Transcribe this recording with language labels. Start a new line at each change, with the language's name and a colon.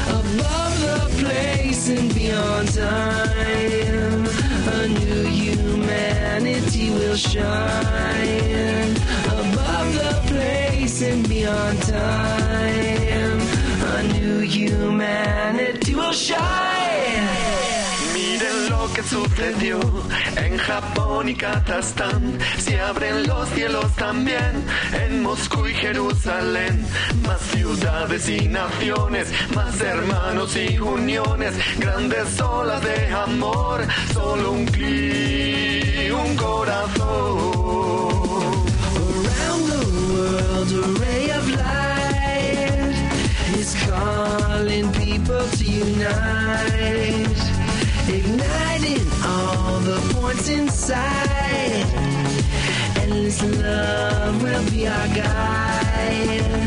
English: Above the place and beyond time, a new humanity will shine. Above the place and beyond time, a new humanity will shine.
Spanish: Mire lo que sucedió. En Japón y Kazajstán se abren los cielos también, en Moscú y Jerusalén. Más ciudades y naciones, más hermanos y uniones, grandes olas de amor, solo un clic y un corazón.
English: Around the world a ray of light is calling people to unite. Igniting all the points inside. Endless love will be our guide.